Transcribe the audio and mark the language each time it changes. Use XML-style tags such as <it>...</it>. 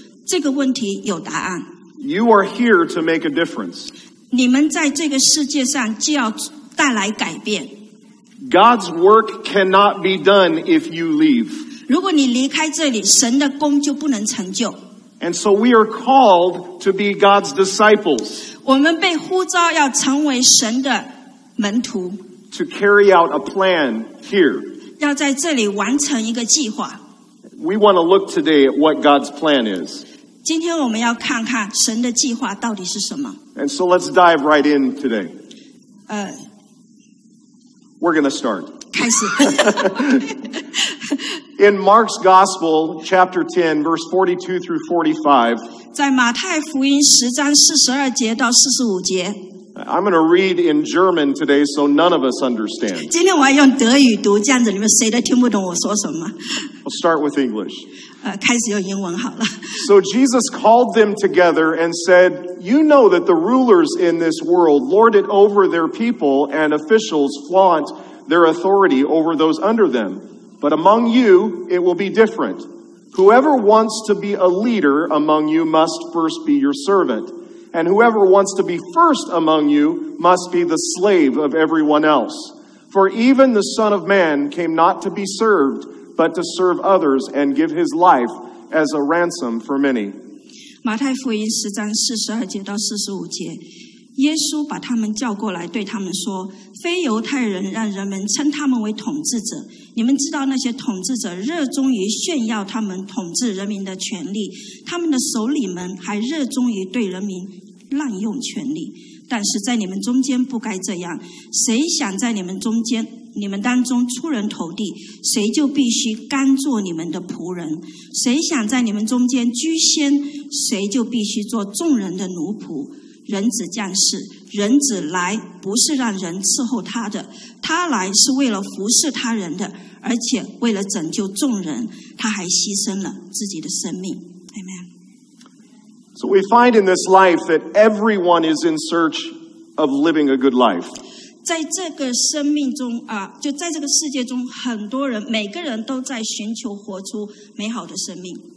<zh>这个问题有答案</zh> <en>You are here to make a difference</en> <zh>你们在这个世界上既要带来改变</zh> <en>God's work cannot be done if you leave</en> <zh>如果你离开这里神的工就不能成就</zh> <en>And so we are called to be God's disciples.</en> <zh>我们被呼召要成为神的门徒。</zh> <en>To carry out a plan here.</en> <zh>要在这里完成一个计划。</zh> <en>We want to look today at what God's plan is.</en> <zh>今天我们要看看神的计划到底是什么。</zh> <en>And so let's dive right in today. We're going to start.</en> <zh>开始。</zh> <en>In Mark's Gospel, chapter 10, verse 42 through 45.</en> <zh>在马太福音十章四十二节到四十五节。</zh> <en>I'm going to read in German today, so none of us understand.</en> <zh>今天我要用德语读，这样子你们谁都听不懂我说什么。</zh> <en>We'll start with English.</en> <zh>开始用英文好了。</zh> <en>So Jesus called them together and said, "You know that the rulers in this world lord it over their people, and officials flaunt their authority over those under them." But among you, it will be different. Whoever wants to be a leader among you must first be your servant. And whoever wants to be first among you must be the slave of everyone else. For even the Son of Man came not to be served, but to serve others and give his life as a ransom for many.</en> <zh>马太福音10章42节到45节，耶稣把他们叫过来，对他们说：“非犹太人让人们称他们为统治者。你们知道那些统治者热衷于炫耀他们统治人民的权力，他们的首领们还热衷于对人民滥用权力。但是在你们中间不该这样。谁想在你们中间、你们当中出人头地，谁就必须甘做你们的仆人；谁想在你们中间居先，谁就必须做众人的奴仆。” 人子降世，人子来不是让人伺候他的，他来是为了服侍他人的，而且为了拯救众人，他还牺牲了自己的生命。</zh> <en>Amen. So we find in this life that everyone is in search of living a good life.</en> <zh>在这个生命中啊，就在这个世界中，很多人，每个人都在寻求活出美好的生命。</zh>